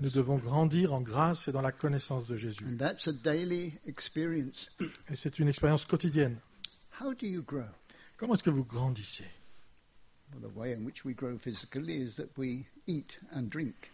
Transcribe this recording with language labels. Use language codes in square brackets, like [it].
[fr] Nous devons grandir en grâce et dans la connaissance de Jésus. [en] And that's a daily experience. [fr] Et c'est une expérience quotidienne. [en] How do you grow? [fr] Comment est-ce que vous grandissez? [en] Well, the way in which we grow physically is that we eat and drink.